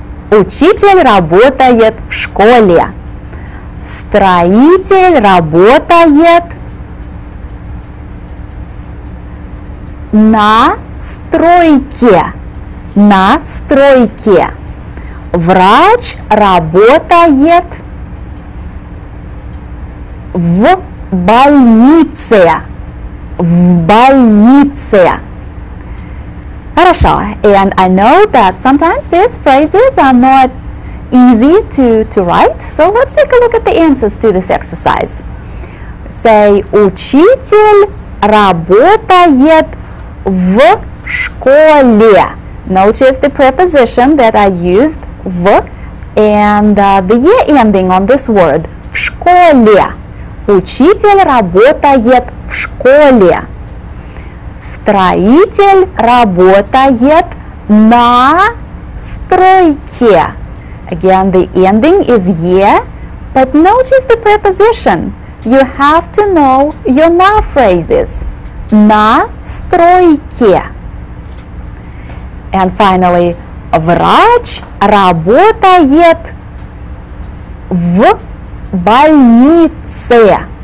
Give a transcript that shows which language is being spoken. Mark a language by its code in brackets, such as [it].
[ru] Учитель работает в школе. Строитель работает на стройке. На стройке. Врач работает в больнице. В больнице. Хорошо. [en] And I know that sometimes these phrases are not easy to write. So let's take a look at the answers to this exercise. [ru] Say, учитель работает в школе. [en] Notice the preposition that I used, в, and the е ending on this word, [ru] в школе. Учитель работает в школе. Строитель работает на стройке. [en] Again, the ending is е, but notice the preposition. You have to know your на phrases. [ru] На стройке. [en] And finally, [ru] врач работает в больнице.